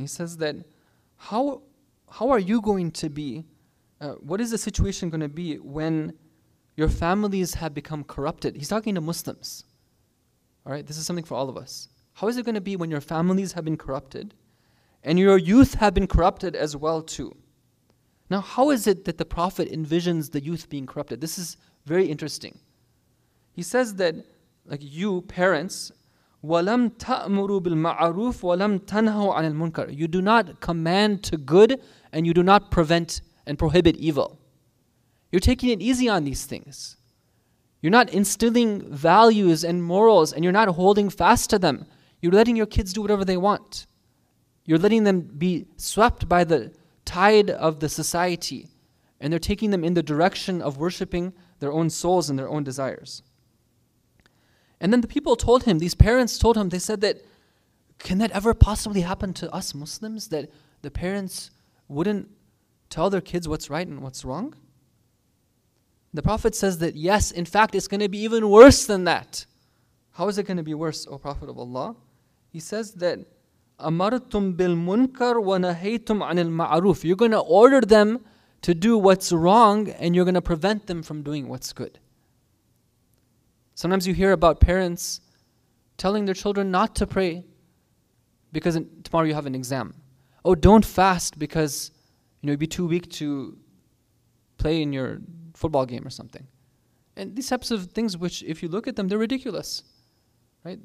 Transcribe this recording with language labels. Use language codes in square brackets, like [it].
[en] He says that, how are you going to be, what is the situation going to be when your families have become corrupted? He's talking to Muslims. All right, this is something for all of us. How is it going to be when your families have been corrupted and your youth have been corrupted as well too? Now, how is it that the Prophet envisions the youth being corrupted? This is very interesting. He says that, like, you parents, [ar] وَلَمْ تَأْمُرُوا بِالْمَعْرُوفِ وَلَمْ تَنْهَوْا عَنِ الْمُنْكَرِ. [en] You do not command to good and you do not prevent and prohibit evil. You're taking it easy on these things. You're not instilling values and morals, and you're not holding fast to them. You're letting your kids do whatever they want. You're letting them be swept by the tide of the society, and they're taking them in the direction of worshiping their own souls and their own desires. And then the people told him, these parents told him, they said that, can that ever possibly happen to us Muslims, that the parents wouldn't tell their kids what's right and what's wrong? The Prophet says that, yes, in fact, it's going to be even worse than that. How is it going to be worse, O Prophet of Allah? [ar] He says that, أَمَرْتُم بِالْمُنْكَرْ وَنَهَيْتُمْ عَنِ الْمَعْرُوفِ. [en] You're going to order them to do what's wrong, and you're going to prevent them from doing what's good. Sometimes you hear about parents telling their children not to pray because tomorrow you have an exam. Oh, don't fast because, you know, you'd be too weak to play in your football game or something. And these types of things, which if you look at them, they're ridiculous. Right?